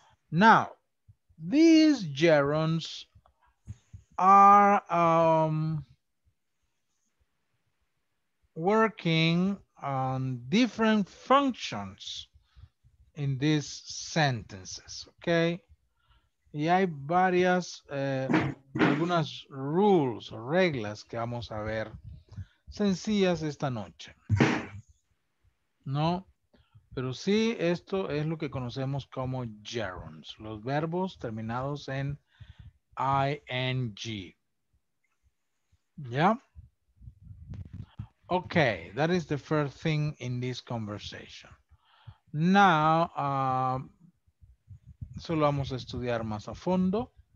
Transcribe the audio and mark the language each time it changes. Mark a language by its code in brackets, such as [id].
[en] Now, these gerunds are working on different functions in these sentences, okay? [es] Y hay varias, algunas rules o reglas que vamos a ver sencillas esta noche, ¿no? Pero sí, esto es lo que conocemos como gerunds, los verbos terminados en ing, ¿ya? [en] Okay, that is the first thing in this conversation. [es] Now, solo vamos a estudiar más a fondo.